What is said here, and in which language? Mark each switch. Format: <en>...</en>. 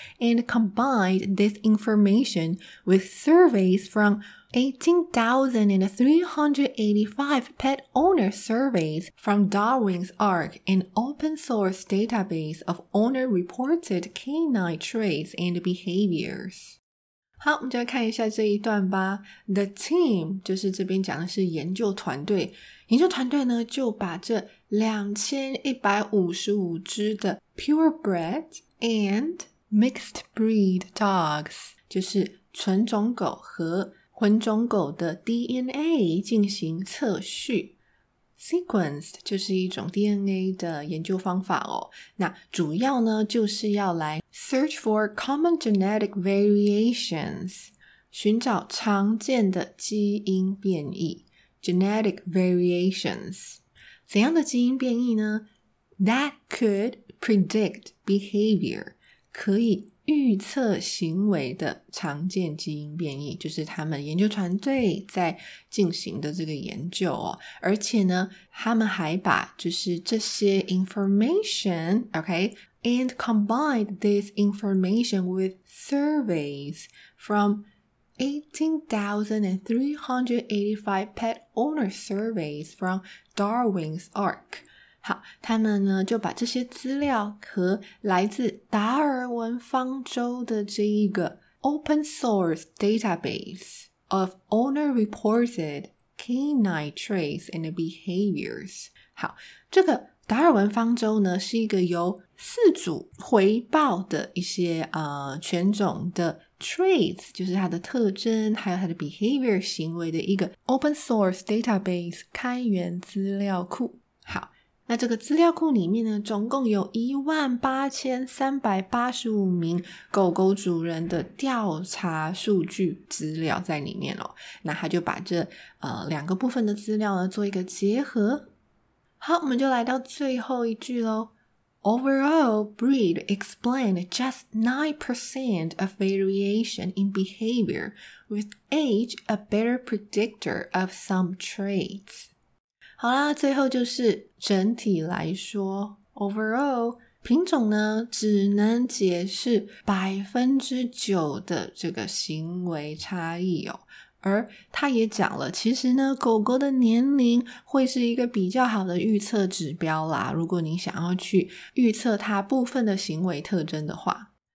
<en>and combined this information with surveys from 18,385 pet owner surveys from Darwin's Ark, an open source database of owner reported canine traits and behaviors.</en> <zh>好，我们就来看一下这一段吧。The team 就是这边讲的是研究团队，研究团队呢就把这2155只的</zh> <en>purebred and mixed breed dogs，</en> <zh>就是纯种狗和混种狗的 DNA 进行测序。 Sequenced 就是一种 DNA 的研究方法哦。那主要呢就是要来</zh> <en>search for common genetic variations，</en> <zh>寻找常见的基因变异。</zh> <en>genetic variations</en> <zh>怎样的基因变异呢？</zh> <en>That could predict behavior，</en> <zh>可以预测行为的常见基因变异，就是他们研究团队在进行的这个研究哦。而且呢，他们还把就是这些</zh> <en>information， OK， and combined this information with surveys from 18,385 pet owner surveys from Darwin's Ark，</en> <zh>好，他们呢就把这些资料和来自达尔文方舟的这一个 Open Source Database of Owner Reported Canine Traits and Behaviors。好，这个达尔文方舟呢是一个由四组回报的一些犬种的 traits， 就是它的特征还有它的 behavior 行为的一个 open source database 开源资料库。好，那这个资料库里面呢总共有18385名狗狗主人的调查数据资料在里面哦。那他就把这两个部分的资料呢做一个结合。好，我们就来到最后一句咯。</zh> <en>Overall, breed explained just 9% of variation in behavior, with age a better predictor of some traits.</en> <zh>好啦，最后就是整体来说， overall, 品种呢只能解释 9% 的这个行为差异哦。而他也讲了，其实呢狗狗的年龄会是一个比较好的预测指标啦，如果你想要去预测它部分的行为特征的话。</zh>